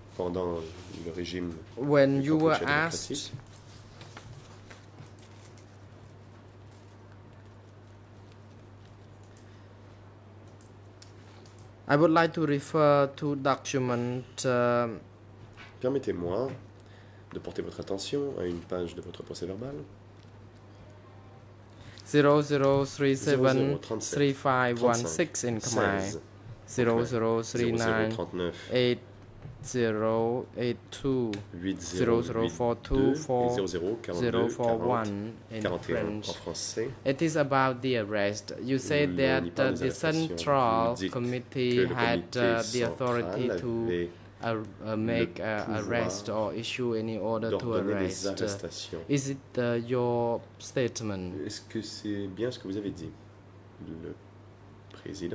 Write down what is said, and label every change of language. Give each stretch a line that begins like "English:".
French: pendant le régime
English: when you were asked I would like to refer to document
French: Permettez-moi de porter votre attention à une page de votre procès-verbal
English: 00373516 in Khmer, 00398082, 0042401 in French. It is about the arrest. You said that the Central Committee had the authority to make an arrest or issue any order to arrest. Is it your statement?
French: Est-ce que c'est bien ce que vous avez dit, le président?